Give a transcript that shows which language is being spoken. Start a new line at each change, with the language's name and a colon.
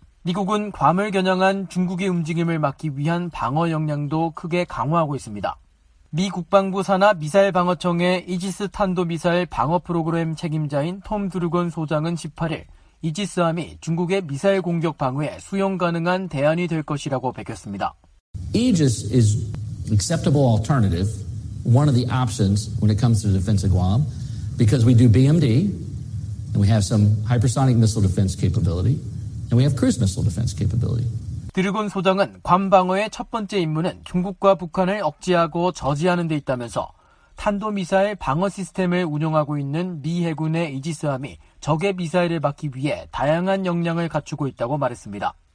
Korean: 미국은 괌을 겨냥한 중국의 움직임을 막기 위한 방어 역량도 크게 강화하고 있습니다. 미 국방부 산하 미사일 방어청의 이지스 탄도 미사일 방어 프로그램 책임자인 톰 드루건 소장은 18일 이지스함이 중국의 미사일 공격 방어에 수용 가능한 대안이 될 것이라고 밝혔습니다.
English: Aegis is acceptable alternative, one of the options when it comes to the defense of Guam, because we do BMD and we have some hypersonic missile defense capability. And we have cruise missile defense capability.
Korean: 드르곤 소장은 괌 방어의 첫 번째 임무는 중국과 북한을 억제하고 저지하는 데 있다면서 탄도미사일 방어 시스템을 운영하고 있는 미 해군의 이지스함이 적의 미사일을 막기 위해 다양한 역량을 갖추고 있다고 말했습니다.